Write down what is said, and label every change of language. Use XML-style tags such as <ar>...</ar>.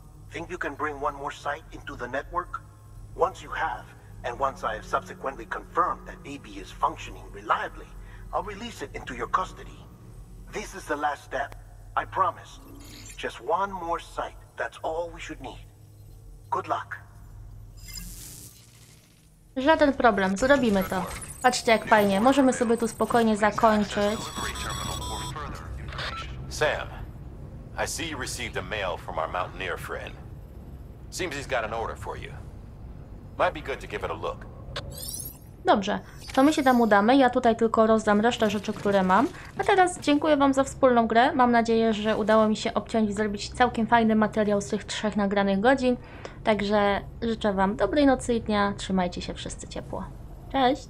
<en>Think you can bring one more site into the network? Once you have, and once I have subsequently confirmed that BB is functioning reliably, I'll release it into your custody. This is the last step, I promise. Just one more sight, that's all we should need. Good luck.</en> <pl>Żaden problem, zrobimy to. Patrzcie jak fajnie, możemy sobie tu spokojnie zakończyć.</pl> <en>Sam, I see you received a mail from our mountaineer friend. Seems he's got an order for you. Might be good to give it a look.</en> <pl>Dobrze, to my się tam udamy, ja tutaj tylko rozdam resztę rzeczy, które mam. A teraz dziękuję Wam za wspólną grę, mam nadzieję, że udało mi się obciąć i zrobić całkiem fajny materiał z tych trzech nagranych godzin. Także życzę Wam dobrej nocy i dnia, trzymajcie się wszyscy ciepło. Cześć!</pl>